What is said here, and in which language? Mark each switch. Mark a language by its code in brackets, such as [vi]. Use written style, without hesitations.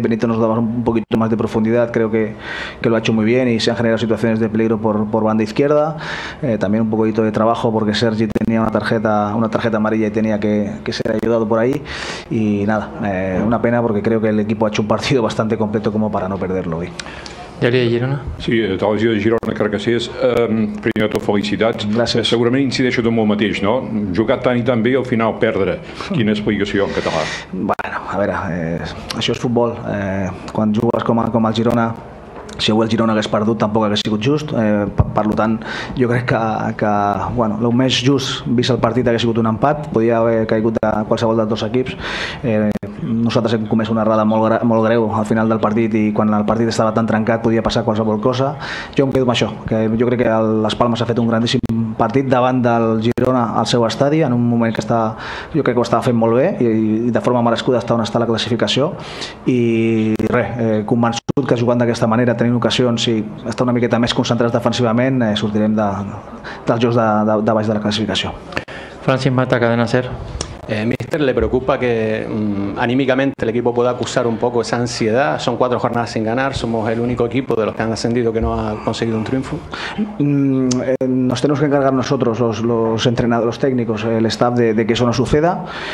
[es] Benito nos daba un poquito más de profundidad, creo que lo ha hecho muy bien, y se han generado situaciones de peligro por banda izquierda. También un poquito de trabajo, porque Sergi tenía una tarjeta amarilla y tenía que ser ayudado por ahí. Y nada, una pena, porque creo que el equipo ha hecho un partido bastante completo como para no perderlo hoy. [ca] Ja li de Girona? Sí, te l'has dit de Girona, crec que sí. Primer de tot, felicitats. Gràcies. Segurament incideixo tu amb el mateix, no? Jugar tant i tan bé i al final perdre. Quina explicació en català? Bueno, a veure, això és futbol. Quan jugues com el Girona, si avui el Girona hagués perdut, tampoc hagués sigut just. Per tant, jo crec que bueno, el més just, vist el partit, hagués sigut un empat. Podia haver caigut de qualsevol dels dos equips. Nosaltres hem comès una errada molt greu al final del partit, i quan el partit estava tan trencat podia passar qualsevol cosa. Jo em quedo amb això, que jo crec que Las Palmas ha fet un grandíssim partit davant del Girona al seu estadi, en un moment que està, jo crec que ho estava fent molt bé, i de forma merescuda està on està la classificació. I res, convençut que jugant d'aquesta manera, tenint ocasions i estar una miqueta més concentrats defensivament, sortirem dels jocs de baix de la classificació. Francis Mata, Cadena Ser. [es] Mister, ¿le preocupa que anímicamente el equipo pueda acusar un poco esa ansiedad? Son cuatro jornadas sin ganar, somos el único equipo de los que han ascendido que no ha conseguido un triunfo. Nos tenemos que encargar nosotros, los entrenadores, los técnicos, el staff, de que eso no suceda.